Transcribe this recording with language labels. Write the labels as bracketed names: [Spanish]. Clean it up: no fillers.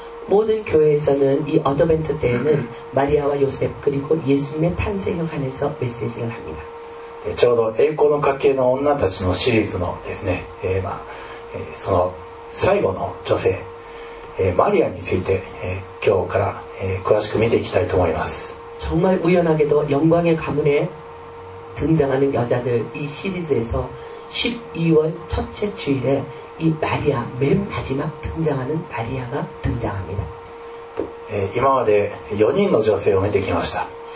[Korean] 모든교회에서는이어드벤트때에는마리아와요셉그리고예수님의탄생에관해서메시지를합니다。 [Japanese] ちょうど栄光の家系の女たちのシリーズのですね、その最後の女性、マリアについて、今日から、詳しく見ていきたいと思います。 [Korean] 정말우연하게도영광의가문에등장하는여자들이시리즈에서12월첫째주일에이마리아맨마지막등장하는마리아가등장합니다。 [Japanese] 今まで4人の女性を見てきました。